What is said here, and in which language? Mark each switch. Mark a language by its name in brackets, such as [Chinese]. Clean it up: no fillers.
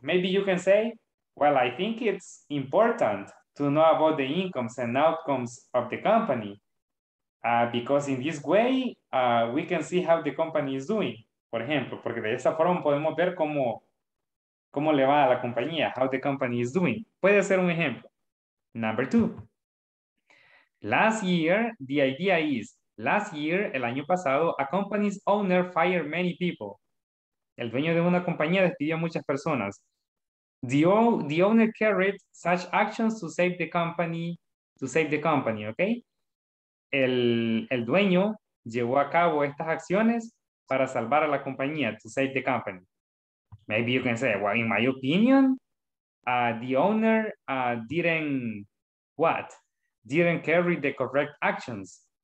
[English] Maybe you can say, well, I think it's important to know about the incomes and outcomes of the company because in this way, we can see how the company is doing, [Spanish] por ejemplo, porque de esa forma podemos ver cómo le va a la compañía, [English] how the company is doing. [Spanish] Puede ser un ejemplo. [English] Number two. Last year, the idea is, last year, [Spanish] el año pasado, [English] a company's owner fired many people. [Spanish] El dueño de una compañía despidió a muchas personas. [English] The owner carried such actions to save the company, okay? [Spanish] El dueño llevó a cabo estas acciones para salvar a la compañía, [English] to save the company. Maybe you can say, well, in my opinion, the owner didn't carry the correct actions.